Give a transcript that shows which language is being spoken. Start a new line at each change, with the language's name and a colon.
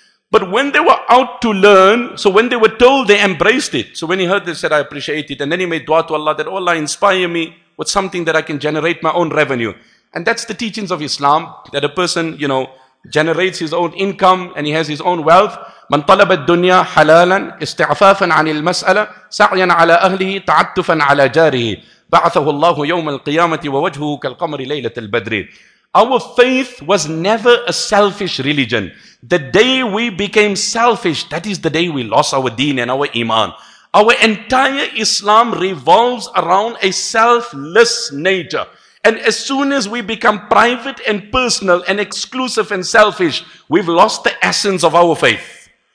English: But when they were out to learn, so when they were told, they embraced it. So when he heard, they said, I appreciate it. And then he made dua to Allah that, oh Allah, inspire me with something that I can generate my own revenue. And that's the teachings of Islam, that a person, you know, generates his own income and he has his own wealth.
Arabic: من طلب الدنيا حلالا استعفافا عن المسألة سعيا على أهله تعطفا على جاره بعثه الله يوم القيامة ووجهه كالقمر ليلة البدر.
English: Our faith was never a selfish religion. The day we became selfish, that is the day we lost our deen and our iman. Our entire Islam revolves around a selfless nature. And as soon as we become private and personal and exclusive and selfish, we've lost the essence of our faith.